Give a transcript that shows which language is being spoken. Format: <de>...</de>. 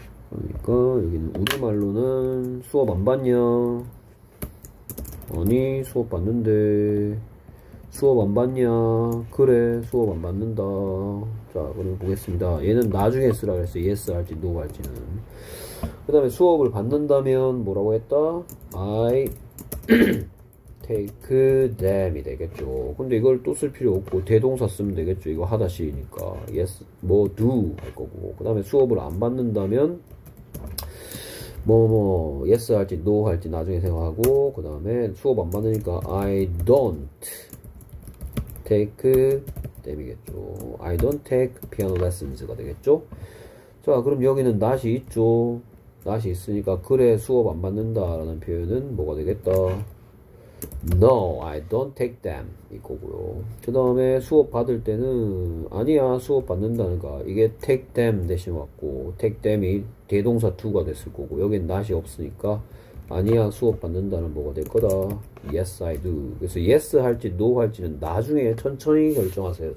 <ko>그러니까 여기는 우리말로는 수업 안 받냐? 아니, 수업 받는데. 수업 안 받냐? 그래, 수업 안 받는다. 자, 그러면 보겠습니다. 얘는 나중에 쓰라고 했어. yes 할지, no 할지는. 그 다음에 수업을 받는다면 뭐라고 했다?</ko> <en>I take them이</en> <ko>되겠죠. 근데 이걸 또쓸 필요 없고, 대동사 쓰면 되겠죠. 이거 하다시니까. yes, 뭐, do 할 거고. 그 다음에 수업을 안 받는다면, 뭐뭐 yes 할지 no 할지 나중에 생각하고 그 다음에 수업 안 받으니까</ko> <en>I don't take</en> <ko>땜이겠죠.</ko> <en>I don't take piano lessons가</en> <ko>되겠죠. 자, 그럼 여기는 not이 있죠. not이 있으니까 그래 수업 안 받는다라는 표현은 뭐가 되겠다?</ko> <en>No, I don't take them</en> <ko>이 거고요. 그 다음에 수업 받을 때는 아니야 수업 받는다니까 이게</ko> <en>take them</en> <ko>대신 왔고 take them이 대동사 to가 됐을 거고 여긴 not이 없으니까 아니야 수업 받는다는 뭐가 될 거다.</ko> <en>Yes, I do.</en> <ko>그래서 yes 할지 no 할지는 나중에 천천히 결정하세요.</ko>